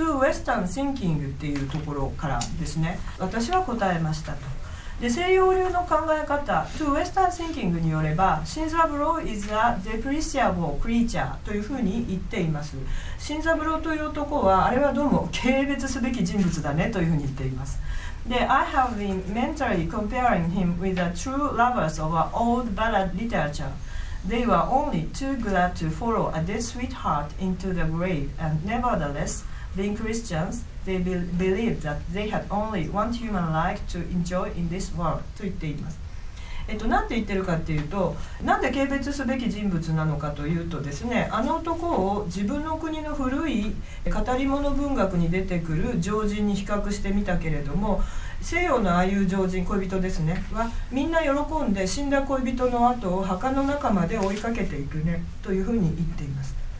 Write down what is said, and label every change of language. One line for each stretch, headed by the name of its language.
English: To Western Thinking
Japanese: っていうところからですね、私は答えましたと。で、西洋流の考え方
English: To Western Thinking
Japanese: によれば、 シンザブロー
English: is a depreciable creature
Japanese: というふうに言っています。シンザブローという男は、あれはどうも軽蔑すべき人物だねというふうに言っています。
English: で、 I have been mentally comparing him with the true lovers of our old ballad literature. They were only too glad to follow a dead sweetheart into the grave, and nevertheless, being Christians, they believed that they had only one human life to enjoy in this world.
Japanese: と言っています。なんて言ってるかっていうと、なんで軽蔑すべき人物なのかというとですね、あの男を自分の国の古い語り物文学に出てくる常人に比較してみたけれども、西洋のああいう常人、恋人ですね、はみんな喜んで死んだ恋人の後を墓の中まで追いかけていくねというふうに言っています。